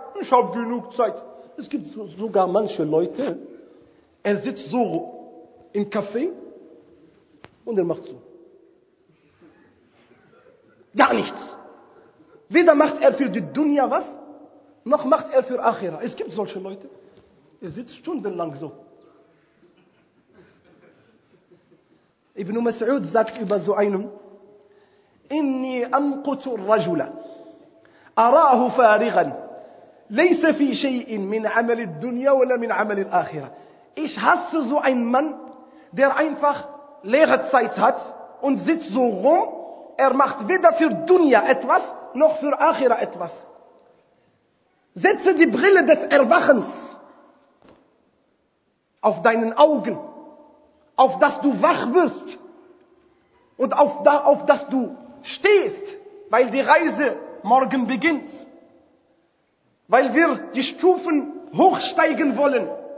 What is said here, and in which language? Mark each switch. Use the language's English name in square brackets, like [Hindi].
[German] Ich habe genug Zeit. Es gibt sogar manche Leute, er sitzt so im Café und er macht so. Gar nichts. Weder macht er für die Dunya was, noch macht er für Akhira. Es gibt solche Leute, er sitzt stundenlang so. [Arabic] Ibn Mas'ud [German] sagt über so einen, [Arabic] إني أمقت الرجل أراه فارغا ليس في شيء من عمل الدنيا ولا من عمل الآخرة. [German] Ich hasse so einen Mann, der einfach leere Zeit hat und sitzt so rum. Er macht weder für Dunya etwas noch für Akhira etwas. Setze die Brille des Erwachens auf deinen Augen, auf dass du wach wirst und auf dass du stehst, weil die Reise morgen beginnt, weil wir die Stufen hochsteigen wollen.